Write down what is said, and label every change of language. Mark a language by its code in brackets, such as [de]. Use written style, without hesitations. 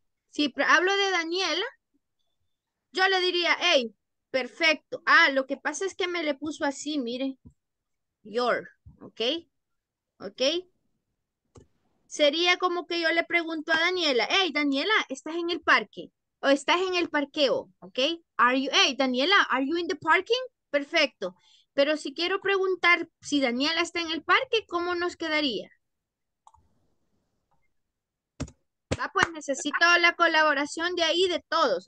[es] Si hablo de Daniela, yo le diría, hey, perfecto. Ah, lo que pasa es que me le puso así, mire. Your, ¿ok? ¿Ok? Sería como que yo le pregunto a Daniela, hey, Daniela, ¿estás en el parque? ¿O estás en el parqueo? ¿Ok? [en] Are you, hey, Daniela, are you in the parking? [es] Perfecto. Pero si quiero preguntar si Daniela está en el parque, ¿cómo nos quedaría? Ah, pues necesito la colaboración de ahí, de todos.